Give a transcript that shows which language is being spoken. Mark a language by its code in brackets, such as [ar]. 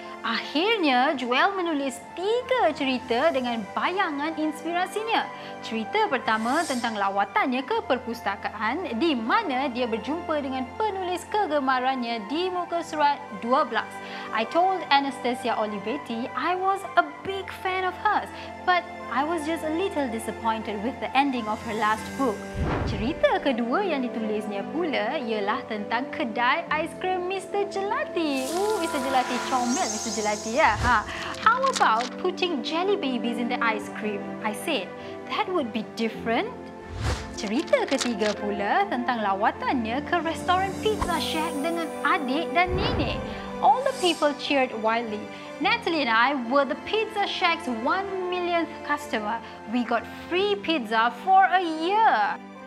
[ms] Akhirnya, Joel menulis 3 cerita dengan bayangan inspirasinya. Cerita pertama tentang lawatannya ke perpustakaan di mana dia berjumpa dengan penulis kegemarannya di muka surat 12. [en] I told Anastasia Olivetti I was a big fan of hers, but I was just a little disappointed with the ending of her last book. [ms] Cerita kedua yang ditulisnya pula ialah tentang kedai aiskrim Mr. Gelati. Mr. Gelati, comel Mr. Gelati ya. Ha. [en] How about putting jelly babies in the ice cream? I said, that would be different. [ms] Cerita ketiga pula tentang lawatannya ke restoran Pizza Shack dengan adik dan nenek. [en] All the people cheered wildly. Natalie and I were the Pizza Shack's 1 millionth customer. We got free pizza for a year.